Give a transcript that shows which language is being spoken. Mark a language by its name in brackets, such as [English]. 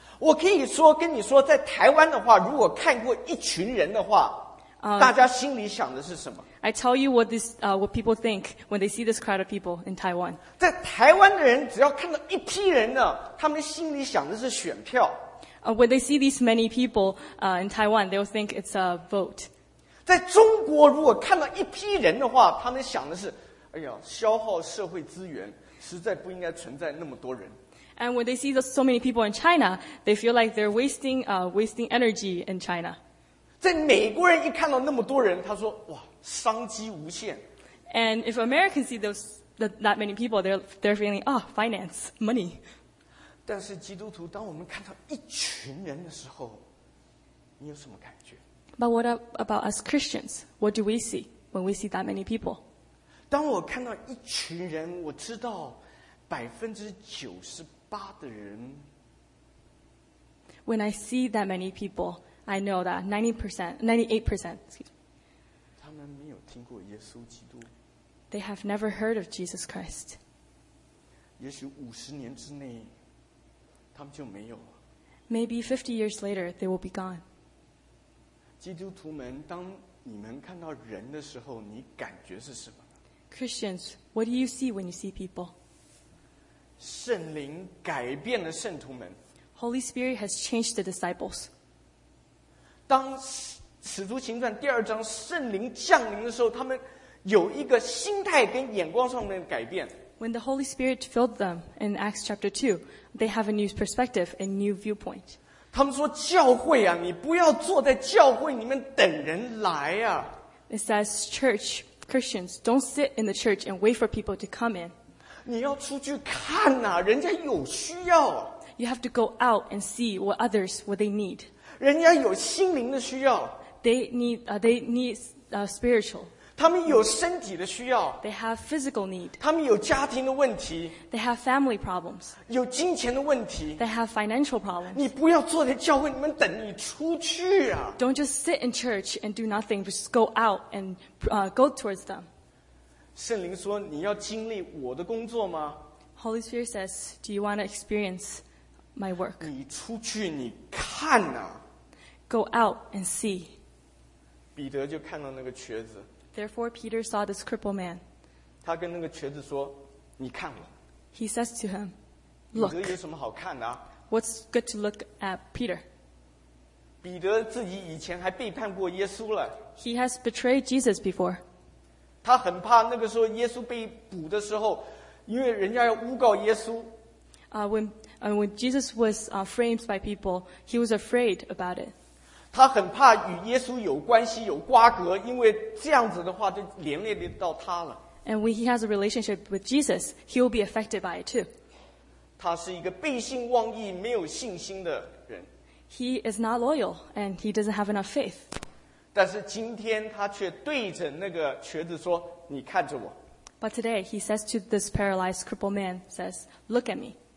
[Chinese] 我可以说跟你说，在台湾的话，如果看过一群人的话，大家心里想的是什么？ [English] I tell you what this what people think when they see this crowd of people in Taiwan. [Chinese] 在台湾的人只要看到一批人呢，他们心里想的是选票。 [English] When they see these many people in Taiwan, they'll think it's a vote. [Chinese] 在中国如果看到一批人的话，他们想的是，哎呀，消耗社会资源。实在不应该存在那么多人。 [English] And when they see so many people in China, they feel like they're wasting energy in China. [Chinese] 在美国人一看到那么多人，他说：“哇，商机无限。” [English] And if Americans see that many people, they're feeling, oh, finance, money. [Chinese] 但是基督徒，当我们看到一群人的时候，你有什么感觉？ [English] But what about us Christians? What do we see when we see that many people? [Chinese] 当我看到一群人，我知道98%的人。 [English] When I see that many people, I know that 98%, excuse me. [Chinese] 他们没有听过耶稣基督。 [English] They have never heard of Jesus Christ. [Chinese] 也许50年之内，他们就没有了。 [English] Maybe 50 years later, they will be gone. [Chinese] 基督徒们，当你们看到人的时候，你感觉是什么？ [English] Christians, what do you see when you see people? [Chinese] 圣灵改变了圣徒们。 [English] Holy Spirit has changed the disciples. [Chinese] 当使徒行传第二章圣灵降临的时候，他们有一个心态跟眼光上面的改变。 [English] When the Holy Spirit filled them in Acts chapter 2, they have a new perspective, a new viewpoint. [Chinese] 他们说教会啊，你不要坐在教会里面等人来啊。 [English] It says church,Christians, don't sit in the church and wait for people to come in. [Chinese] 你要出去看啊，人家有需要。 [English] You have to go out and see what others, what they need. [Chinese] 人家有心灵的需要。 [English] They need spiritual. [Chinese] 他们有身体的需要。 [English] They have physical need. [Chinese] 他们有家庭的问题。 [English] They have family problems. [Chinese] 有金钱的问题。 [English] They have financial problems. [Chinese] 你不要坐在教会里面等，你出去啊。 [English] Don't just sit in church and do nothing, just go out andgo towards them. [Chinese] 圣灵说你要经历我的工作吗？ [English] Holy Spirit says, do you want to experience my work? [Chinese] 你出去你看啊。 [English] Go out and see. [Chinese] 彼得就看到那个瘸子。 [English] Therefore, Peter saw this crippled man. [Chinese] 他跟那个瘸子说，你看我。 [English] He says to him, look. [Chinese] 彼得有什么好看的啊？ [English] What's good to look at Peter? [Chinese] 彼得自己以前还背叛过耶稣了。 [English] He has betrayed Jesus before. [Chinese] 他很怕那个时候耶稣被捕的时候，因为人家要诬告耶稣。 [English] When Jesus was framed by people, he was afraid about it. [Chinese] 他很怕与耶稣有关系有瓜葛，因为这样子的话就连累到他了。 [English] And when he has a relationship with Jesus, he will be affected by it too. [Chinese] 他是一个背信忘义、没有信心的。 [English] He is not loyal, and he doesn't have enough faith. [Chinese] 但是今天他却对着那个瘸子说，你看着我。 [English] But today, he says to this paralyzed, crippled man, says, look at me.